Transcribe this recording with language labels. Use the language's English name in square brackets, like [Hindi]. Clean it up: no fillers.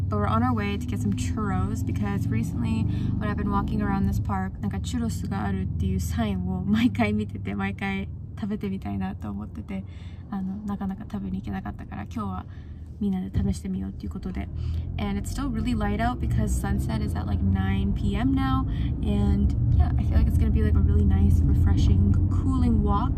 [English] But we're on our way to get some churros because recently when I've been walking around this park, [Japanese] なんかチュロスがあるっていう、サインを毎回見てて、毎回食べてみたいなと思ってて、なかなか食べに行けなかったから、今日はみんなで試してみようっていうことで。 [English] And it's still really light out because sunset is at like 9 p.m. now and yeah, I feel like it's gonna be like a really nice, refreshing, cooling walk.